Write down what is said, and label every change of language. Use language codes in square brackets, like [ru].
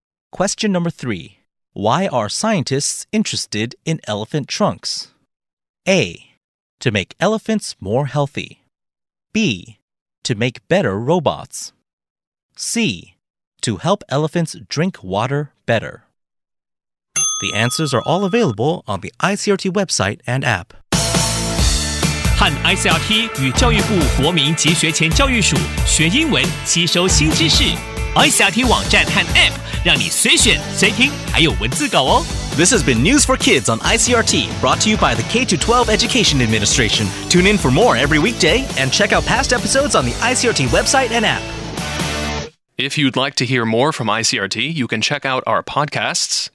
[en] Question number three. Why are scientists interested in elephant trunks? A. To make elephants more healthy. B. To make better robots. C. To help elephants drink water better. The answers are all available on the ICRT website and app. [zh] 和 ICRT 与教育部国民及学前教育署学英文吸收新知识 ICRT 网站和 APP 让你随选随听，还有文字稿哦。 [en] This has been News for Kids on ICRT, brought to you by the K-12 Education Administration. Tune in for more every weekday and check out past episodes on the ICRT website and app. If you'd like to hear more from ICRT, you can check out our podcasts.